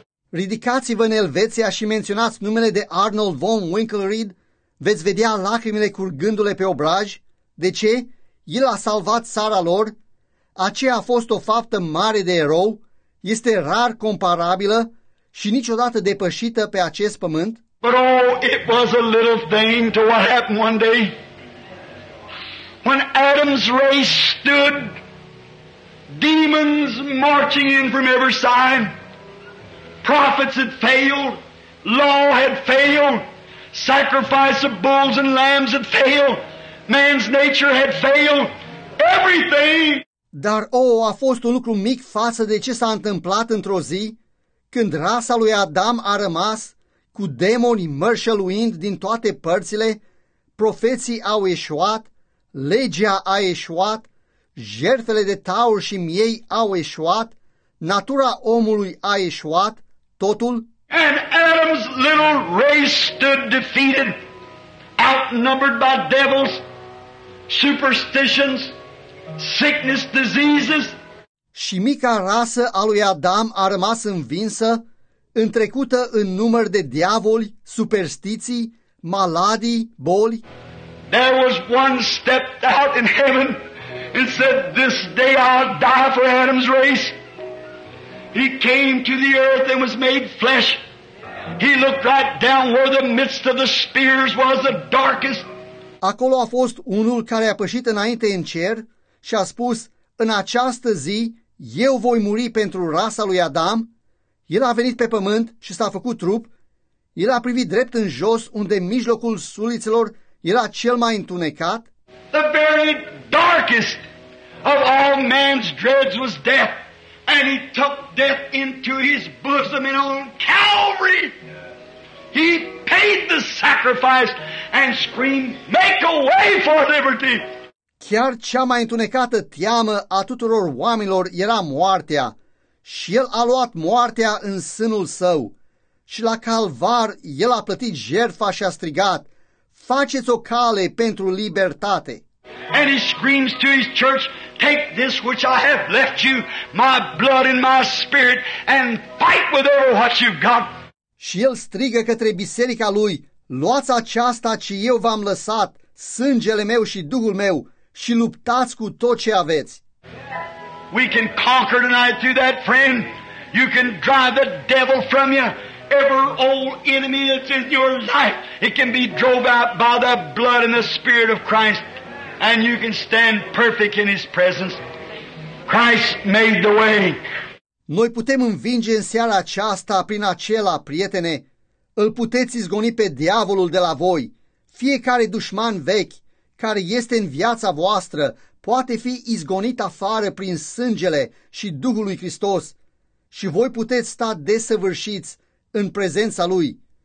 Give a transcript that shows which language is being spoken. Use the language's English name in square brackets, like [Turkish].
[Romanian] Ridicați-vă în Elveția și menționați numele de Arnold von Winkelried. Veți vedea lacrimile curgându-le pe obraj. De ce? El a salvat țara lor. Aceea a fost o faptă mare de erou. Este rar comparabilă și niciodată depășită pe acest pământ. [English] But oh, it was a little thing to what happened one day. When Adam's race stood, demons marching in from every side, prophets had failed, law had failed, sacrifice of bulls and lambs had failed, man's nature had failed, everything. [Romanian] Dar oh, a fost un lucru mic față de ce s-a întâmplat într-o zi, când rasa lui Adam a rămas cu demoni mărșăluind din toate părțile, profeții au eșuat, legea a eșuat, jertfele de taur și miei au eșuat, natura omului a eșuat, totul. [English] And Adam's little race stood defeated, outnumbered by devils, superstitions, sickness, diseases. [Romanian] Și mica rasă a lui Adam a rămas învinsă, întrecută în număr de diavoli, superstiții, maladii, boli. [English] There was one stepped out in heaven and said, this day I'll die for Adam's race. He came to the earth and was made flesh. He looked right down where the midst of the spears was the darkest. [Romanian] Acolo a fost unul care a pășit înainte în cer și a spus, în această zi eu voi muri pentru rasa lui Adam. El a venit pe pământ și s-a făcut trup. El a privit drept în jos, unde în mijlocul suliților era cel mai întunecat. [English] The very darkest of all man's dreads was death, and he took death into his bosom in on Calvary. He paid the sacrifice and screamed, make a way for liberty. [Romanian] Chiar cea mai întunecată teamă a tuturor oamenilor era moartea, și El a luat moartea în sânul Său și la calvar El a plătit jertfa și a strigat, faceți o cale pentru libertate. [English] And he screams to his church, take this which I have left you, my blood and my spirit, and fight with all what you've got. [Romanian] Și el strigă către biserica lui, luați aceasta ce eu v-am lăsat, sângele meu și Duhul meu, și luptați cu tot ce aveți. [English] We can conquer tonight through that, friend. You can drive the devil from you. Every old enemy that's in your life, it can be drove out by the blood and the spirit of Christ. And you can stand perfect in His presence. Christ made the way. [Romanian] Noi putem învinge în seara aceasta prin acela, prietene, îl puteți izgoni pe diavolul de la voi. Fiecare dușman vechi care este în viața voastră poate fi izgonit afară prin sângele și Duhul lui Hristos și voi puteți sta desăvârșiți în prezența Lui.